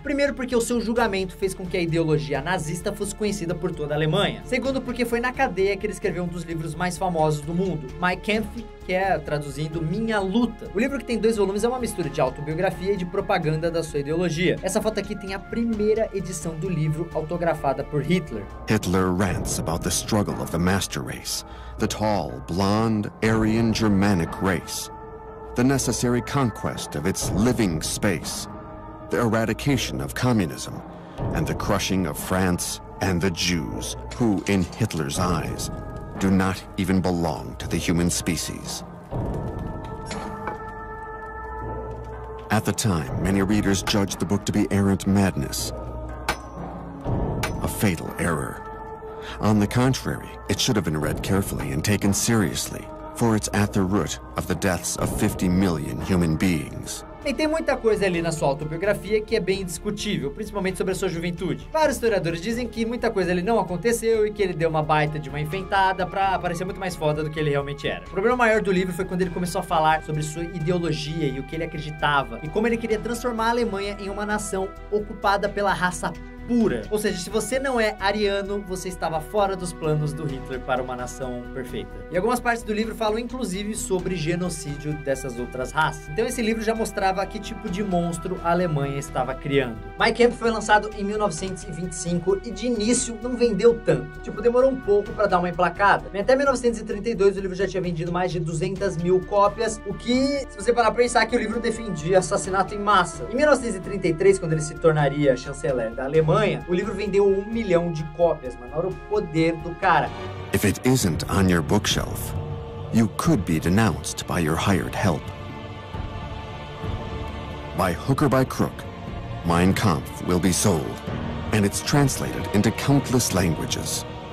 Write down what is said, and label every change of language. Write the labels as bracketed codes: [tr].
[pt] Primeiro porque o seu julgamento fez com que a ideologia nazista fosse conhecida por toda a Alemanha. Segundo porque foi na cadeia que ele escreveu um dos livros mais famosos do mundo, Mein Kampf, que é, traduzindo, Minha Luta. O livro, que tem 2 volumes, é uma mistura de autobiografia e de propaganda da sua ideologia. Essa foto aqui tem a primeira edição do livro autografada por Hitler. [en] Hitler rants about the struggle of the master race, the tall, blonde, Aryan Germanic race, the necessary conquest of its living space, the eradication of communism, and the crushing of France and the Jews, who, in Hitler's eyes, do not even belong to the human species. At the time, many readers judged the book to be errant madness, a fatal error. On the contrary, it should have been read carefully and taken seriously, for it's at the root of the deaths of 50 million human beings. [pt] E tem muita coisa ali na sua autobiografia que é bem discutível, principalmente sobre a sua juventude. Vários historiadores dizem que muita coisa ali não aconteceu e que ele deu uma baita de uma enfeitada pra parecer muito mais foda do que ele realmente era. O problema maior do livro foi quando ele começou a falar sobre sua ideologia e o que ele acreditava e como ele queria transformar a Alemanha em uma nação ocupada pela raça pura. Ou seja, se você não é ariano, você estava fora dos planos do Hitler para uma nação perfeita. E algumas partes do livro falam, inclusive, sobre genocídio dessas outras raças. Então esse livro já mostrava que tipo de monstro a Alemanha estava criando. Mein Kampf foi lançado em 1925 e, de início, não vendeu tanto. Tipo, demorou um pouco para dar uma emplacada. Até 1932, o livro já tinha vendido mais de 200 mil cópias, o que, se você parar para pensar, que o livro defendia assassinato em massa. Em 1933, quando ele se tornaria chanceler da Alemanha, o livro vendeu 1 milhão de cópias, mas não era o poder do cara. [en] If it isn't on your bookshelf, you could be denounced by your hired help. By hook or by crook, Mein Kampf will be sold, and it's translated into countless languages.